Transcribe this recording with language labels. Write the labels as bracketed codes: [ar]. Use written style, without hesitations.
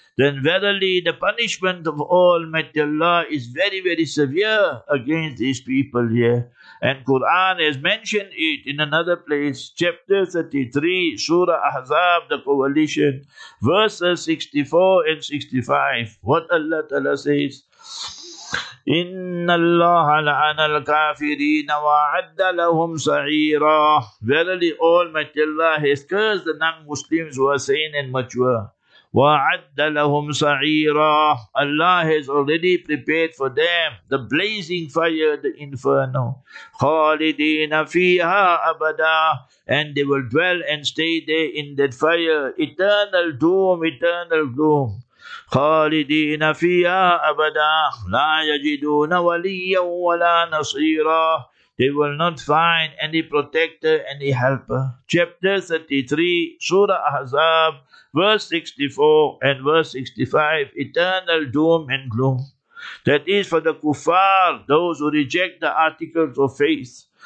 [en] Then verily the punishment of Almighty Allah is very, very severe against these people here. And Quran has mentioned it in another place, chapter 33, Surah Ahzab, the coalition, verses 64 and 65. What Allah Ta'ala says, [ar] إِنَّ اللَّهَ لَعَنَ الْكَافِرِينَ وَعَدَّ لَهُمْ سَعِيرًا. [en] Verily Almighty Allah has cursed the non-Muslims who are sane and mature. [ar] وَعَدَّ لَهُمْ سَعِيرًا. [en] Allah has already prepared for them the blazing fire, the inferno. [ar] خَالِدِينَ فِيهَا أَبَدًا. [en] And they will dwell and stay there in that fire. Eternal doom, eternal gloom. [ar] خالدين فيها أبدا لا يجدون وليا ولا نصيرا. [en] They will not find any protector, any helper. Chapter 33, Surah Ahzab, verse 64 and verse 65, eternal doom and gloom. That is for the kuffar, those who reject the articles of faith.